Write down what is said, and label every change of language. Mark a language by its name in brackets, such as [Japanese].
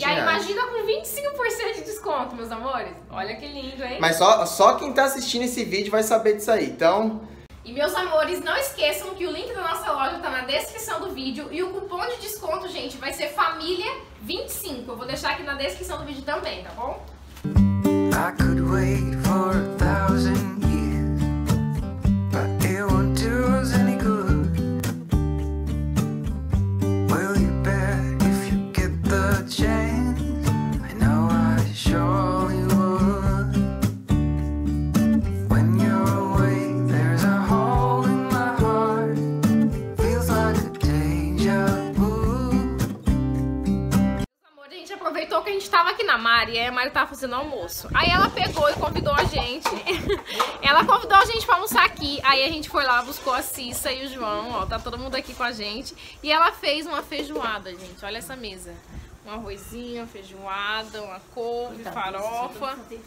[Portuguese] E aí imagina com 25% de desconto, meus amores. Olha que lindo, hein? Mas só quem tá assistindo esse vídeo vai saber disso aí, então... E meus amores, não esqueçam que o link da nossa loja tá na descrição do vídeo. E o cupom de desconto, gente, vai ser FAMILIA25. Eu vou deixar aqui na descrição do vídeo também, tá bom? [English] I could wait for a thousand years, but it won't do us any good. Well, you bet if you get the chance, I know I surely would. When you're away, there's a hole in my heart, feels like a deja vu. [Portuguese] Amor, a gente aproveitou que a gente tava aqui na Mari, e a Mari tava fazendo almoço. Aí ela pegou e convidou a gente. Ela convidou a gente pra almoçar aqui, aí a gente foi lá, buscou a Cissa e o João, ó, tá todo mundo aqui com a gente. E ela fez uma feijoada, gente, olha essa mesa. Um arrozinho, feijoada, uma couve, então, farofa.